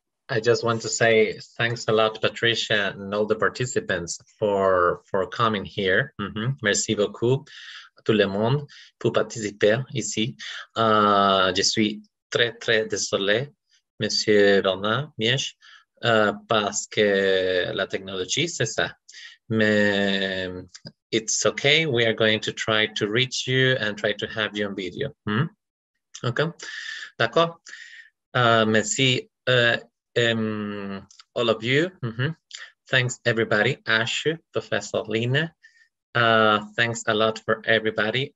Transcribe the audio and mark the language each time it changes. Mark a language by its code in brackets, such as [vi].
[en] I just want to say thanks a lot, Patricia, and all the participants for coming here. Mm-hmm. [fr] Merci beaucoup à tout le monde pour participer ici. Je suis très, très désolé, Monsieur Bernard Miesch, parce que la technologie, c'est ça. Mais [en] it's okay. We are going to try to reach you and try to have you on video. Mm-hmm. [fr] Ok, d'accord. Merci, [en] all of you. Mm-hmm. Thanks, everybody. Ash, Professor Lina. Thanks a lot for everybody.